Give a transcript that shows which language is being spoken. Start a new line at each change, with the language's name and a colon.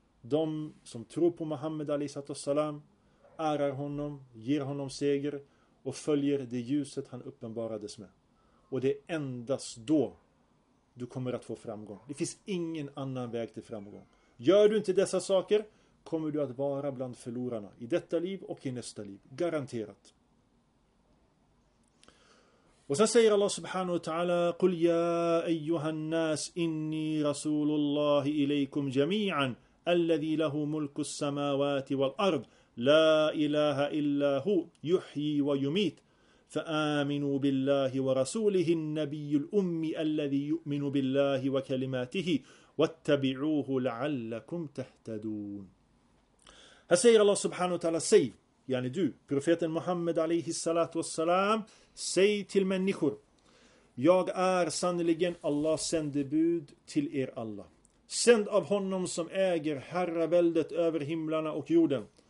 Swedish: De som tror på Muhammad a.s. ärar honom, ger honom seger och följer det ljuset han uppenbarades med. Och det är endast då du kommer att få framgång. Det finns ingen annan väg till framgång. Gör du inte dessa saker kommer du att vara bland förlorarna i detta liv och i nästa liv. Garanterat. Och sen säger
Arabic: Allah subhanahu wa ta'ala قُلْ يَا أَيُّهَا النَّاسِ إِنِّي رَسُولُ اللَّهِ إِلَيْكُمْ جَمِيعًا أَلَّذِي لَهُ مُلْكُ السَّمَاوَاتِ وَالْأَرْضِ لَا إِلَهَ إِلَّا هُوْ يُحْيِي وَيُمِيتِ فآمنوا بالله ورسوله النبي الأمي الذي يؤمن بالله وكلماته واتبعوه لعلكم تهتدون.
Swedish: Här säger Allah subhanahu wa ta'ala, säg, yani du, profeten Muhammad alayhi salatu wassalam, säg till människor, jag är sannoliken Allahs sändebud till er alla, sänd av honom som äger herraväldet över himlarna och jorden.